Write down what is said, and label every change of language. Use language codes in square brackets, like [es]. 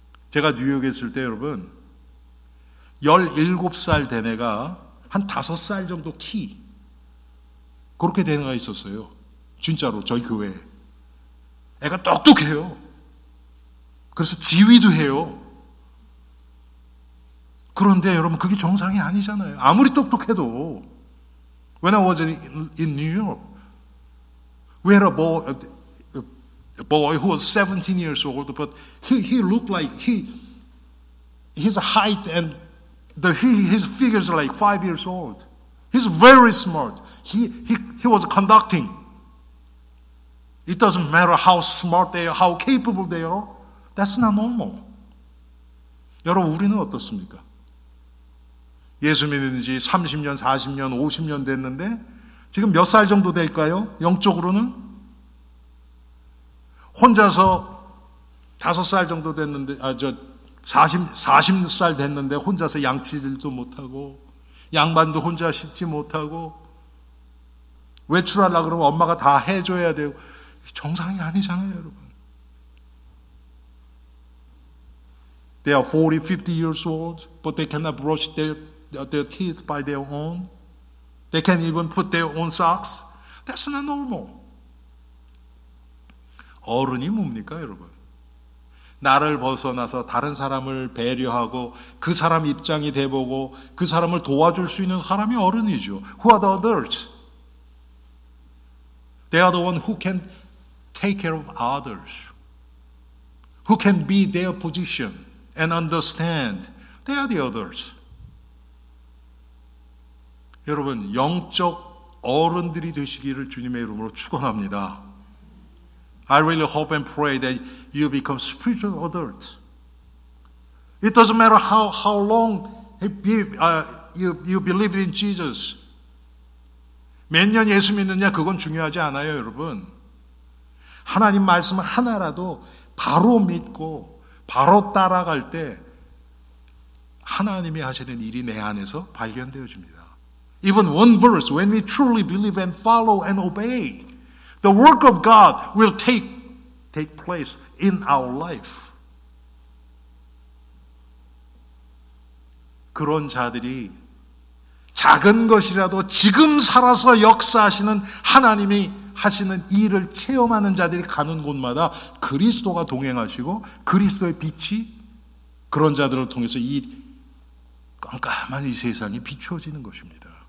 [ko] 제가 뉴욕에 있을 때 여러분 17살 된 애가 한 5살 정도 키 그렇게 된 애가 있었어요. 진짜로 저희 교회에. 애가 똑똑해요. 그래서 지휘도 해요. 그런데 여러분 그게 정상이 아니잖아요. 아무리 똑똑해도. [en] When I was in New York, we had a boy who was 17 years old, but he looked like his height and his figure is like 5 years old. He's very smart. He was conducting. It doesn't matter how smart they are, how capable they are. That's not normal. [ko] 여러분 우리는 어떻습니까? 예수 믿는지 30년, 40년, 50년 됐는데 지금 몇 살 정도 될까요? 영적으로는? 혼자서 5살 정도 됐는데 40살 됐는데 혼자서 양치질도 못하고 양반도 혼자 씻지 못하고 외출하려고 그러면 엄마가 다 해줘야 되고 정상이 아니잖아요 여러분. [en] They are 40, 50 years old but they cannot brush their teeth by their own. They can't even put their own socks. That's not normal. [ko] 어른이 뭡니까, 여러분? 나를 벗어나서 다른 사람을 배려하고 그 사람 입장이 돼보고 그 사람을 도와줄 수 있는 사람이 어른이죠. [en] Who are the others? They are the ones who can take care of others. Who can be their position and understand. They are the others. [ko] 여러분 영적 어른들이 되시기를 주님의 이름으로 축원합니다. [en] I really hope and pray that you become spiritual adult. It doesn't matter how long you believe in Jesus. [ko] 몇 년 예수 믿느냐 그건 중요하지 않아요, 여러분. 하나님 말씀 하나라도 바로 믿고 바로 따라갈 때 하나님이 하시는 일이 내 안에서 발견되어집니다. [en] Even one verse, when we truly believe and follow and obey, the work of God will take place in our life. [ko] 그런 자들이 작은 것이라도 지금 살아서 역사하시는 하나님이 하시는 일을 체험하는 자들이 가는 곳마다 그리스도가 동행하시고 그리스도의 빛이 그런 자들을 통해서 이 깜깜한 이 세상이 비추어지는 것입니다.